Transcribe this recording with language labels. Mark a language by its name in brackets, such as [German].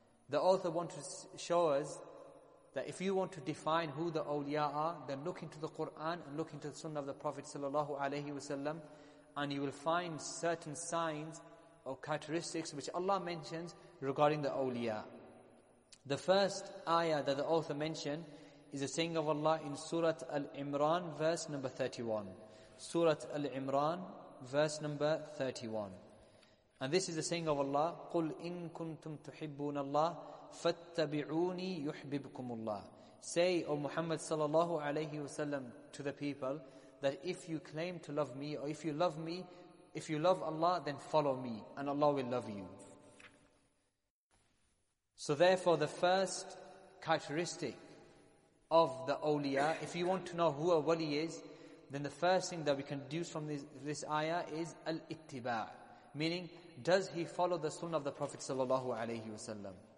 [English] The author wants to show us that if you want to define who the awliya are, then look into the Qur'an and look into the Sunnah of the Prophet sallallahu alayhi wasallam, and you will find certain signs or characteristics which Allah mentions regarding the awliya. The first ayah that the author mentioned is a saying of Allah in Surah Al-Imran, verse number 31. Surah Al-Imran, verse number 31. And this is a saying of Allah, [Arabic] قُلْ إِن كُنْتُمْ تُحِبُّونَ اللَّهِ فَاتَّبِعُونِي يُحْبِبْكُمُ اللَّهِ. [English] Say, O Muhammad sallallahu alayhi wa sallam, to the people, that if you claim to love me, or if you love me, if you love Allah, then follow me, and Allah will love you. So therefore, the first characteristic of the awliya, if you want to know who a wali is, then the first thing that we can deduce from this ayah is al-ittiba', meaning, does he follow the sunnah of the Prophet sallallahu alayhi wasallam?